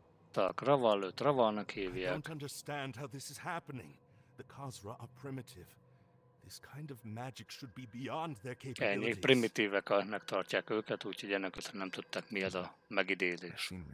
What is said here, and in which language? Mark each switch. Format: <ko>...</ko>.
<hu>Tak, Raval, őt Ravalnak hívják.</hu> <en>I don't understand how this is happening. The Khazra are primitive. This kind of magic should be beyond their capabilities.</en> <hu>Ennyi primitíveknek tartják őket, úgyhogy ennek aztán nem tudták, mi az a megidézés.</hu>